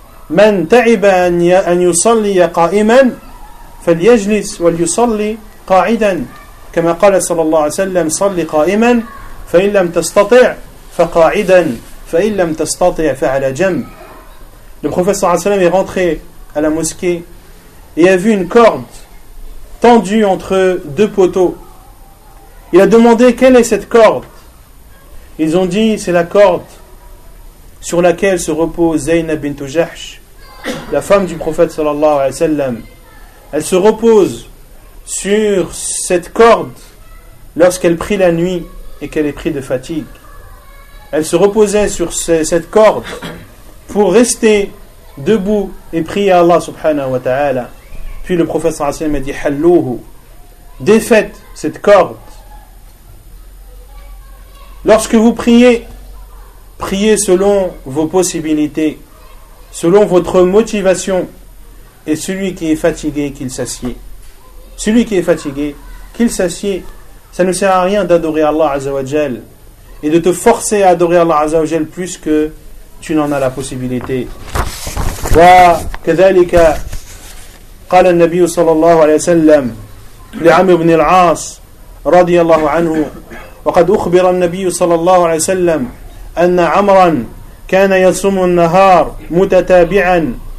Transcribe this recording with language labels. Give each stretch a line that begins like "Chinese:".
Arabic: من تعب أن يصلي قائما فليجلس وليصلي قاعدا كما قال صلى الله عليه وسلم صلي قائما فإن لم تستطع فقاعدا فإن لم تستطع فعلى جنب
French: Le prophète صلى الله عليه وسلم est rentré à la mosquée et a vu une corde tendue entre deux poteaux. Il a demandé quelle est cette corde. Ils ont dit c'est la corde sur laquelle se repose Zaynab bint Jahsh, la femme du prophète sallallahu alayhi wa sallam. Elle se repose sur cette corde lorsqu'elle prie la nuit et qu'elle est prise de fatigue. Elle se reposait sur cette corde pour rester debout et prier à Allah subhanahu wa ta'ala. Puis le prophète sallallahu alayhi wa sallam a dit Halluhu, défaites cette corde. Lorsque vous priez, priez selon vos possibilités, selon votre motivation, et celui qui est fatigué, qu'il s'assied. Celui qui est fatigué, qu'il s'assied. Ça ne sert à rien d'adorer Allah Azzawajal et de te forcer à adorer Allah Azzawajal plus que tu n'en as la possibilité.
Arabic: Wa kadhalika qala an-nabiy sallallahu alayhi wa sallam li 'Amr ibn al-'As radiyallahu anhu وقد أخبر النبي صلى الله عليه وسلم أن عمرا كان يصوم النهار متتابعا